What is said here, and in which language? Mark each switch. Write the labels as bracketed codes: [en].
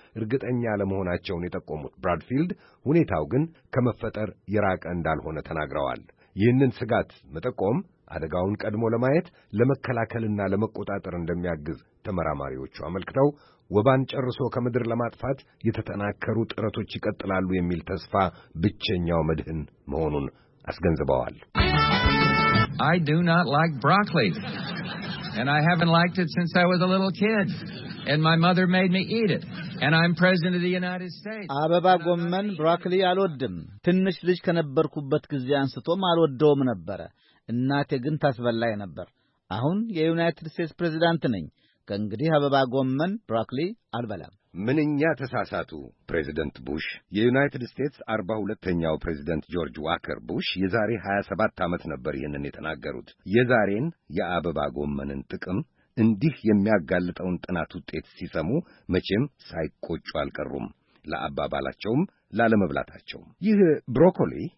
[am] እርግጠኛ ለመሆናቸውን የጠቆሙት ብራድፊልድ ሁኔታው ግን ከመፈጠር የራቀ እንዳልሆነ ተናግረዋል። ይህንን ስጋት መጠቆም አደጋውን ቀድሞ ለማየት ለመከላከልና ለመቆጣጠር እንደሚያግዝ ተመራማሪዎቹ አመልክተው ወባን ጨርሶ ከመድር ለማጥፋት የተጠናከሩ ጥረቶች ይቀጥላሉ የሚል ተስፋ ብቸኛው መድህን መሆኑን አስገንዝበዋል። [en] I do not like broccoli. And I haven't liked it since I was a little kid. And my mother made me eat it. And I'm president of the United States. [am] አበባ ጎመን ብሮኮሊ አልወድም። ትንሽ ልጅ ከነበርኩበት ጊዜ አንስቶም አልወደውም ነበር። እናቴ ግን ታስበላይ ነበር። አሁን የዩናይትድ ስቴትስ ፕሬዝዳንት ነኝ። ከእንግዲህ አበባ ጎመን ብሮኮሊ አልበላም። ምንኛ ተሳሳቱ ፕሬዝደንት ቡሽ። የዩናይትድ ስቴትስ 42ኛው ፕሬዝደንት ጆርጅ ዋከር ቡሽ የዛሬ 27 ዓመት ነበር ይህንን የተናገሩት። የዛሬን የአበባ ጎመንን ጥቅም እንዲህ የሚያጋልጠውን ጥናት ውጤት ሲሰሙ መቼም ሳይቆጩ አልቀሩም፣ ለአባባላቸውም ላለመብላታቸው። ይህ ብሮኮሊ